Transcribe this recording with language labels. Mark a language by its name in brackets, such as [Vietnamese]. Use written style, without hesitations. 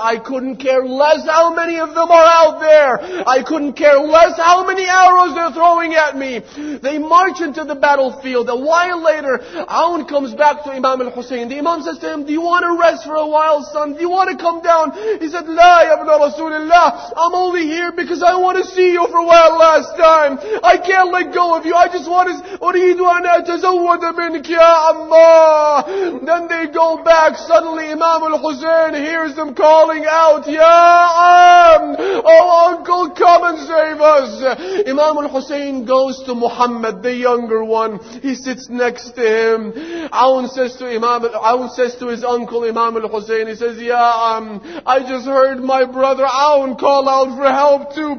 [English] I couldn't care less how many of them are out there. I couldn't care less how many arrows they're throwing at me. They march into the battlefield. A while later, Aun comes back to Imam al-Hussein. The Imam says to him, do you want to rest for a while, son? Do you want to come down? He said, La, Ya Ibn Rasulullah, I'm only here because I want to see you for one last time. I can't let go of you. I just want to [Arabic] أريد أن أتزود منك يا عمّا. [English] Then they go back. Suddenly Imam al-Hussein hears them calling out, Ya Am, oh uncle, come and save us. Imam al-Hussein goes to Muhammad, the younger one. He sits next to him. Aun says to his uncle Imam al-Hussein, he says, Ya Am, I just heard my brother Aun call out for help too.